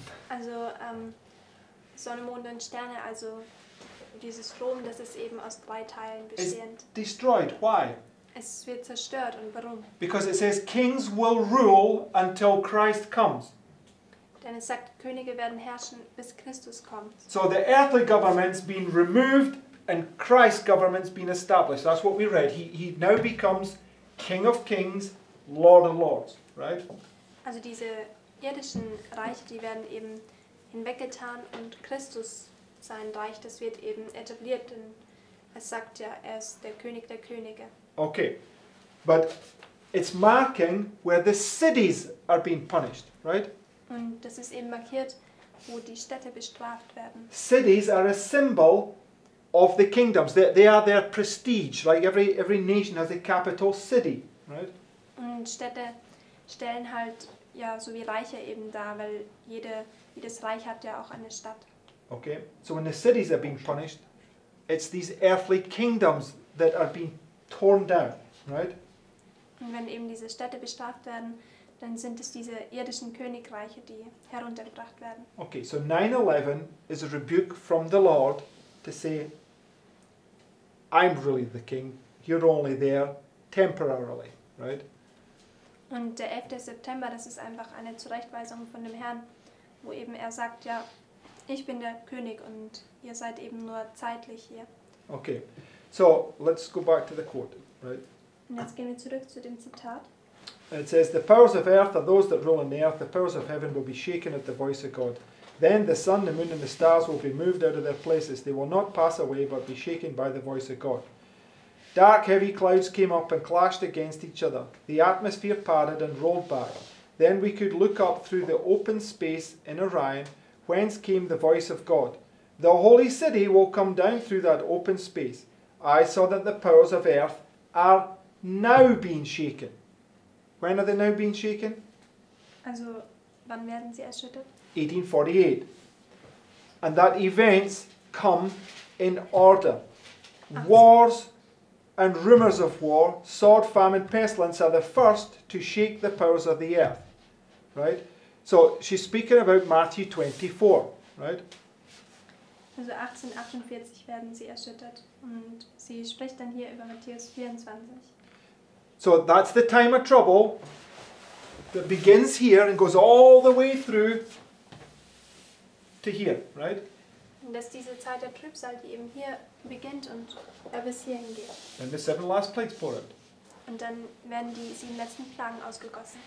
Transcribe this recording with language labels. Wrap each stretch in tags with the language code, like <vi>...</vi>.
<de>Also Sonne, Mond und Sterne, also dieses Rom, das ist eben aus drei Teilen bestehend.</de> <en>It's destroyed. Why?</en> <de>Es wird zerstört und warum?</de> <en>Because it says kings will rule until Christ comes.</en> <de>Denn es sagt, Könige werden herrschen bis Christus kommt.</de> <en>So the earthly government's been removed and Christ's government's been established. That's what we read. He now becomes King of Kings, Lord of Lords, right?</en> <de>Also diese irdischen Reiche, die werden eben hinweggetan und Christus, sein Reich, das wird eben etabliert. Denn es sagt ja, er ist der König der Könige.</de> <en>Okay, but it's marking where the cities are being punished, right?</en> <de>Und das ist eben markiert, wo die Städte bestraft werden.</de> <en>Cities are a symbol of the kingdoms. They are their prestige, like every nation has a capital city, right?</en> <de>Und Städte stellen halt ja so wie Reiche eben da, weil jedes Reich hat ja auch eine Stadt.</de> <en>Okay, so when the cities are being punished, it's these earthly kingdoms that are being torn down, right?</en> <de>Und wenn eben diese Städte bestraft werden, dann sind es diese irdischen Königreiche, die heruntergebracht werden.</de> <en>Okay, so 9/11 is a rebuke from the Lord to say, I'm really the king, you're only there temporarily, right?</en> <de>Und der 11. September, das ist einfach eine Zurechtweisung von dem Herrn, wo eben er sagt, ja, ich bin der König und ihr seid eben nur zeitlich hier.</de> <en>Okay, so let's go back to the quote, right?</en> <de>Und jetzt gehen wir zurück zu dem Zitat.</de> <en>It says, the powers of earth are those that rule in the earth, the powers of heaven will be shaken at the voice of God. Then the sun, the moon and the stars will be moved out of their places. They will not pass away, but be shaken by the voice of God. Dark, heavy clouds came up and clashed against each other. The atmosphere parted and rolled back. Then we could look up through the open space in Orion, whence came the voice of God. The holy city will come down through that open space. I saw that the powers of earth are now being shaken. When are they now being shaken?</en> <de>Also, wann werden sie erschüttert?</de> <en>1848. and that events come in order. Wars and rumors of war, sword, famine, pestilence are the first to shake the powers of the earth. Right? So she's speaking about Matthew 24, right?</en> <de>Also 1848 werden sie erschüttert und sie spricht dann hier über Matthäus 24.</de> <en>So that's the time of trouble that begins here and goes all the way through to here, right?</en> <de>Und dass diese Zeit der Trübsal, die eben hier beginnt und bis hierhin geht.</de> <en>And the seven last plagues pour out.</en> <de>Und dann werden die sieben letzten Plagen ausgegossen.</de>